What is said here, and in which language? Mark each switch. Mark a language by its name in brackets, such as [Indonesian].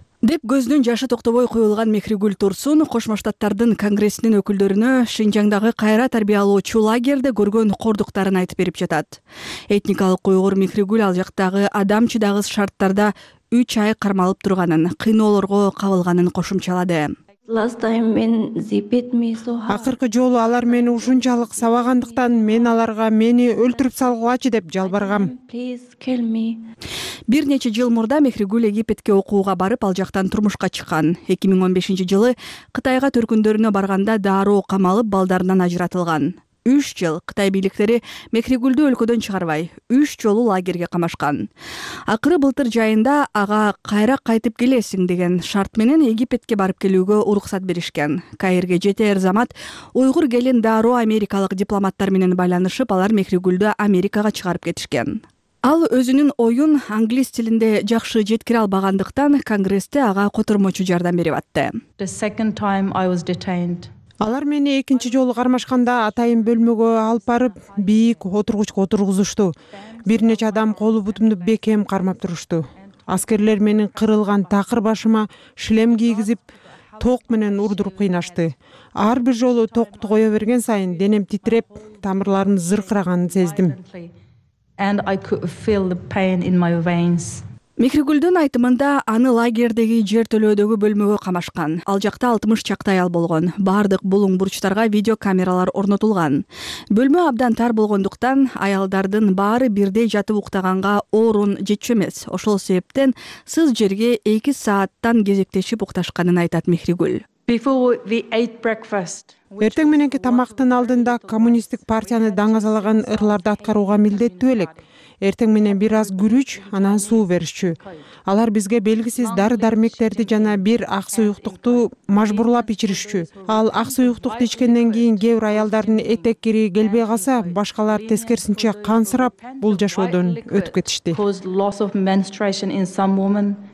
[Kyrgyz] Деп көздүн жашы токтобой куюлган Михргүл Турсун Кошмо Штаттардын конгрессинин өкүлдөрүнө Шинжаңдагы кайра тарбиялоочу лагерде көргөн кордуктарын айтып берип жатат. Этникалык уйгур Михргүл ал жактагы адам чыдагыс шарттарда 3 ай кармалып турганын, кыйноолорго кабылганын кошумчалады. [English] Last time men zipped me so hard. [Kyrgyz] Акыркы жолу алар мени ушунчалык сабагандыктан мен аларга мени өлтүрүп салгылачы деп жалбаргам. [English] Please kill me. [Kyrgyz] Бир нече жыл мурда Михргүл Египетке окууга барып, ал жактан турмушка чыккан. 2015 жылы Кытайга төркүндөрүнө барганда дароо камалып, балдарынан ажыратылган. 3 жыл Кытай бийликтери Михргүлдү өлкөдөн чыгарбай, 3 жолу лагерге камашкан. Акыры былтыр жайында ага кайра кайтып келесиң деген шарт менен Египетке барып келүүгө уруксат беришкен. Каирге жетер замат уйгур келин дароо америкалык дипломаттар менен байланышып, алар Михргүлдү Америкага чыгарып кетишкен. Ал өзүнүн оюн англис тилинде жакшы жеткире албагандыктан конгрессте ага котормочу жардам берип атты. [English] The second time I was detained. [Kyrgyz] Алар мени экинчи жолу кармашканда атайын бөлмөгө алып барып, бийик отургучка отургузушту. Бир нече адам колу бутумду бекем кармап турушту. Аскерлер менин кырылган такыр башыма шилем кийгизип, ток менен урдуруп кыйнашты. Ар бир жолу токту кое берген сайын денем титиреп, тамырларым зыркыраганын сездим. [English] And I could feel the pain in my veins. [Kyrgyz] Михргүлдүн айтымында аны лагердеги жертөлөөдөгү бөлмөгө камашкан. Ал жакта 60 чакты аял болгон. Бардык булуң бурчтарга видео камералар орнотулган. Бөлмө абдан тар болгондуктан аялдардын баары бирдей жатып уктаганга орун жетчү эмес. Ошол себептен сыз жерге 2 сааттан кезектешип укташканын айтат Михргүл. [English] Before we ate breakfast. [Kyrgyz] Эртең мененки тамактын алдында коммунисттик партияны даңазалаган ырларды аткарууга милдеттүү элек. эртең менен бир аз күрүч, анан суу беришчү. Алар бизге белгисиз дары-дармектерди жана бир ак суюктукту мажбурлап ичиришчү. Ал ак суюктукту ичкенден кийин кээ бир аялдардын этек кири келбей калса, башкалар тескерисинче кан сырап, бул жашоодон өтүп кетишти.